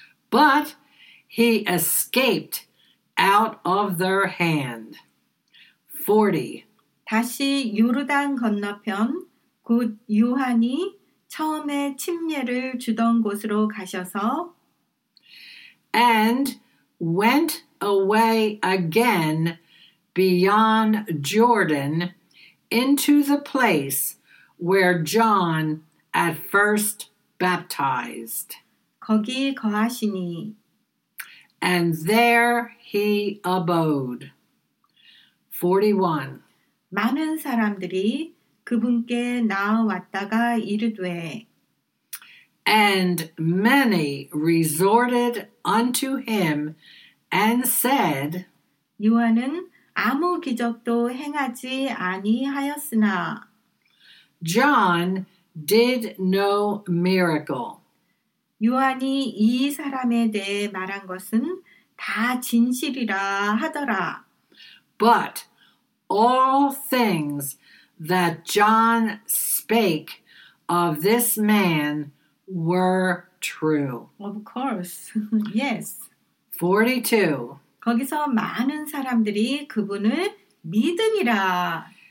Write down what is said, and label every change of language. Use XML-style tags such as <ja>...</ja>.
<en>But he escaped out of their hand. 40.</en> <ko>다시 요르단 건너편 곧 요한이 처음에 침례를 주던 곳으로 가셔서</ko> <en>and went away again beyond Jordan into the place where John at first baptized.</en> <ko>거기 거하시니</ko> <en>and there he abode. 41.</en> <ko>많은 사람들이 그분께 나아왔다가 이르되</ko> <en>And many resorted unto him and said</en> <ko>요한은 아무 기적도 행하지 아니하였으나</ko> <en>John did no miracle.</en> <ko>요한이 이 사람에 대해 말한 것은 다 진실이라 하더라</ko> <en>But all things that John spake of this man were true. Of course. Yes. 42.</en> <ko>거기서 많은 사람들이 그분을 믿으니라.</ko>